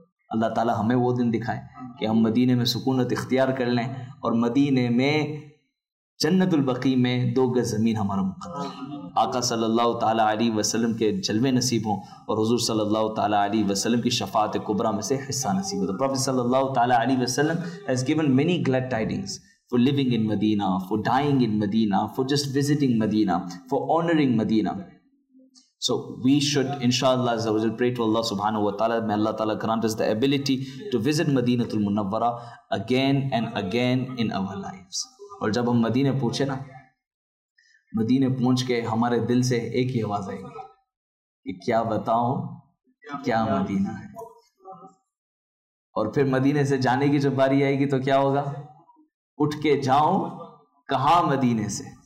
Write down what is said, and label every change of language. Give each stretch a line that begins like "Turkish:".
Urdu: اللہ تعالی ہمیں وہ دن دکھائے کہ ہم مدینہ میں سکونت اختیار کر لیں اور مدینہ میں جنت البقیع میں دو گز زمین ہمارا مقدر. آقا صلی اللہ تعالیٰ علیہ وسلم کے جلوے نصیب ہوں اور حضور صلی اللہ تعالیٰ علیہ وسلم کی شفاعت کبریٰ میں سے حصہ نصیب ہو.
English: Prophet صلی اللہ تعالیٰ علیہ وسلم has given many glad tidings for living in Medina, for dying in Medina, for just visiting Medina, for honoring Medina. So we should, inshallah, as I will pray to Allah subhanahu wa ta'ala, may Allah ta'ala grant us the ability to visit Madinatul Munawwara again and again in our lives.
Urdu: اور جب ہم مدینے پہنچے نا, مدینے پہنچ کے ہمارے دل سے ایک ہی آواز آئے گی کہ کیا بتاؤں کیا مدینہ ہے. اور پھر مدینے سے جانے کی جب باری آئے گی تو کیا ہوگا, اٹھ کے جاؤں کہاں مدینے سے.